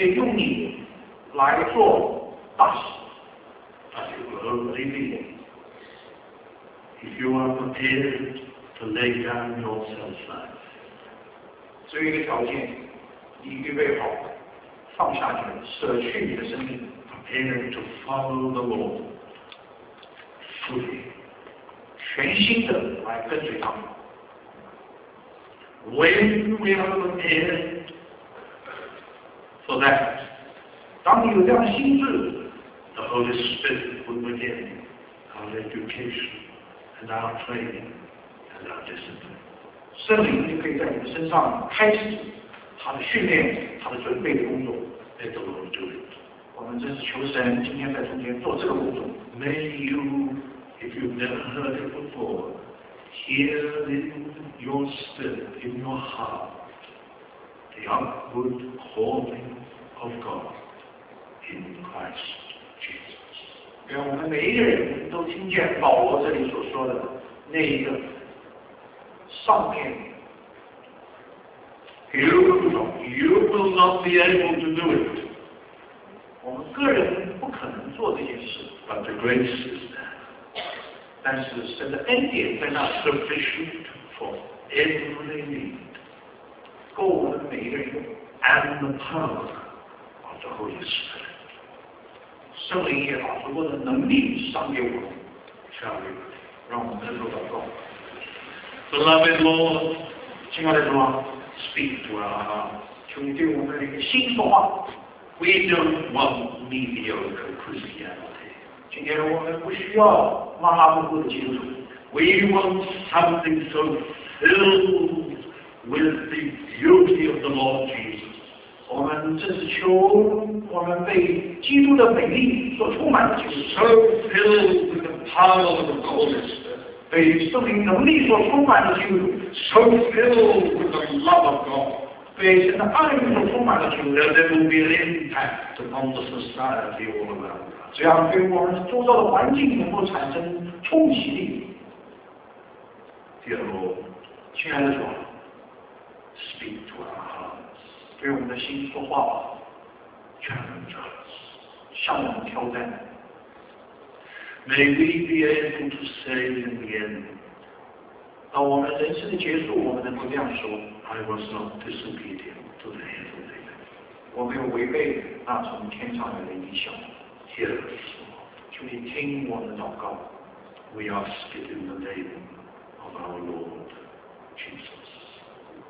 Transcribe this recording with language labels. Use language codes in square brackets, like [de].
[zh] 在这末世的时候，神愿用你来做大使。 [en] But it will only be if you are prepared to lay down your self-life. [zh] 只有一个条件，你预备好放下你的，舍去你的生命。 [en] Prepared to follow the Lord fully. [zh] 全心的来跟随他。 [en] When we are prepared for that, [zh] 当你有这样的心智 [en] ，the Holy Spirit will begin our education and our training and our discipline。 [zh] 圣灵就可以在你的身上开始他的训练，他的准备的工作。 [en] May the Lord do it。 [zh] 我们真是求神今天在中间做这个工作。 [en] May you, if you've never heard it before, hear in your spirit, in your heart, the upward calling of God. In Christ Jesus. [zh] 让我们每一个人都听见保罗这里所说的那一个上天。 [en] You will not be able to do it. [zh] 我们个人不可能做这件事。 [en] But the grace is there. [zh] 但是神的恩典在那。 [en] Sufficient for every need. [zh] 够我们每一个人用。 [en] And the power of the Holy Spirit. [zh] 圣灵也把足够的能力赏给我们，下面让我们能够祷告。 [en] Beloved Lord， [zh] 亲爱的主啊 [en] ，Speak to our hearts， [zh] 求你对我们的灵心说话。 [en] We don't want mediocre Christianity。 [zh] 今天我们不需要马马虎虎的基督徒。 [en] We want something so filled with the beauty of the Lord Jesus。 [zh] 我们真是求我们被基督的美丽所充满的基督 [en] ，so filled with the power of the Holy Spirit， [zh] 被圣灵能力所充满的基督 [en] ，so filled with the love of God， [zh] 被神的爱所充满的基督 [en] ，that there will be an impact upon the society all around， [zh] 这样对我们周遭的环境能够产生冲击力。 [en] Dear Lord， [zh] 亲爱的主 [en] ，speak to our hearts。 [zh] 对我们的心说话吧，全能者，向我们挑战。 [en] May we be able to say in the end， [zh] 到我们人生的结束，我们能够这样说 [en] ：I was not disobedient to the heavenly。 [zh] 我没有违背那从天上来的意象。 [en] Hear us， [zh] 求你听我们的祷告。 [en] We ask it in the name of our Lord Jesus。